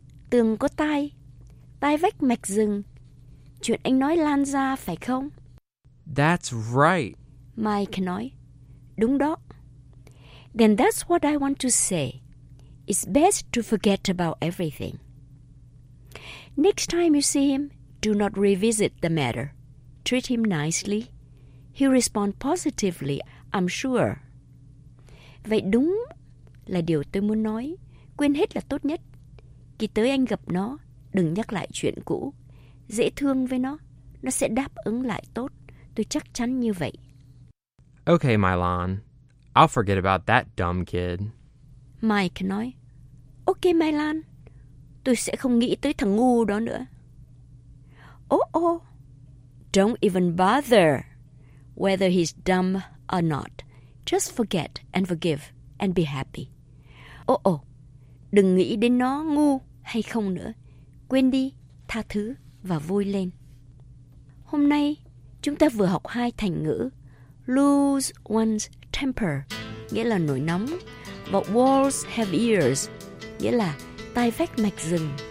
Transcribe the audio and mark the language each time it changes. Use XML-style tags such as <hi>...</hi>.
<vi>Tường có tai, tai vách mạch rừng. Chuyện anh nói lan ra, phải không?</vi> <en>That's right.</en> <vi>Mike nói, đúng đó.</vi> <en>Then that's what I want to say. It's best to forget about everything. Next time you see him, do not revisit the matter. Treat him nicely. He'll respond positively, I'm sure.</en> <vi>Vậy đúng là điều tôi muốn nói. Quên hết là tốt nhất. Khi tới anh gặp nó, đừng nhắc lại chuyện cũ. Dễ thương với nó. Nó sẽ đáp ứng lại tốt. Tôi chắc chắn như vậy.</vi> <en>Okay, Mylon. I'll forget about that dumb kid.</en> <vi>Mike nói, Okay, Mylon. Tôi sẽ không nghĩ tới thằng ngu đó nữa. Oh,</vi> <en>don't even bother whether he's dumb or not. Just forget and forgive and be happy.</en> <vi>Oh, đừng nghĩ đến nó ngu hay không nữa. Quên đi, tha thứ và vui lên. Hôm nay, chúng ta vừa học hai thành ngữ</vi> <en>lose one's temper,</en> <vi>nghĩa là nổi nóng, và</vi> <en>walls have ears,</en> <vi>nghĩa là tai vách mạch rừng.</vi>